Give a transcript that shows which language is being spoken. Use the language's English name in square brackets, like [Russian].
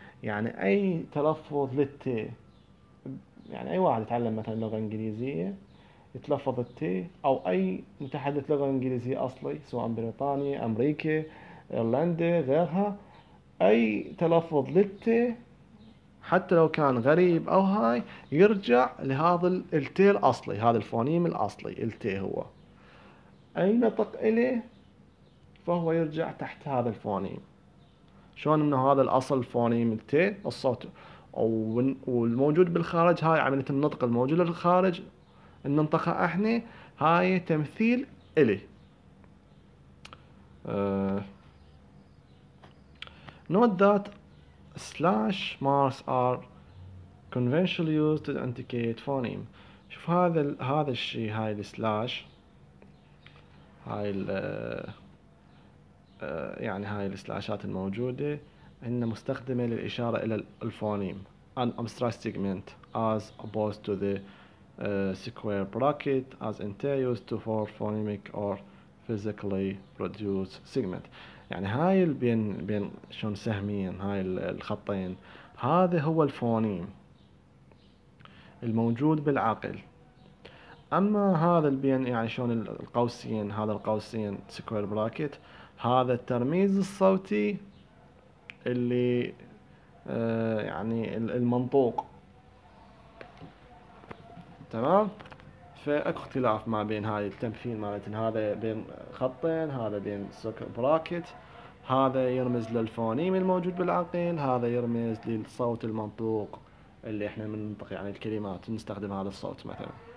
[Arabic] يعني اي تلفظ للتي، يعني اي واحد يتعلم مثلا لغه انجليزيه يتلفظ التي، او اي متحدث لغه انجليزيه اصلي سواء بريطانيا، امريكا، ايرلندا، غيرها، اي تلفظ للتي حتى لو كان غريب او هاي يرجع لهذا التي الاصلي، هذا الفونيم الاصلي التي، هو اي نطق اليه فهو يرجع تحت هذا الفونيم. شلون انه هذا الاصل فونيم التي الصوت، والموجود بالخارج، هاي عملية النطق الموجود بالخارج ان ننطقها احنا، هاي تمثيل الي. [English] Note that slash marks are conventionally used to indicate phoneme. [Arabic] شوف هذا الشيء، هاي السلاش، هاي ال يعني هاي السلاشات الموجودة إن مستخدمة للإشارة إلى الفونيم. [English] An abstract segment as opposed to the square bracket as in T used to for phonemic or physically produced segment. [Arabic] يعني هاي بين شلون سهمين هاي الخطين، هذا هو الفونيم الموجود بالعقل. أما هذا بين يعني شلون القوسين، هذا القوسين square bracket، هذا الترميز الصوتي اللي يعني المنطوق، تمام؟ فاكو اختلاف ما بين هاي التمثيل مالت هذا بين خطين، هذا بين براكت، هذا يرمز للفونيم الموجود بالعقل، هذا يرمز للصوت المنطوق اللي احنا بننطق يعني الكلمات نستخدم هذا الصوت مثلا.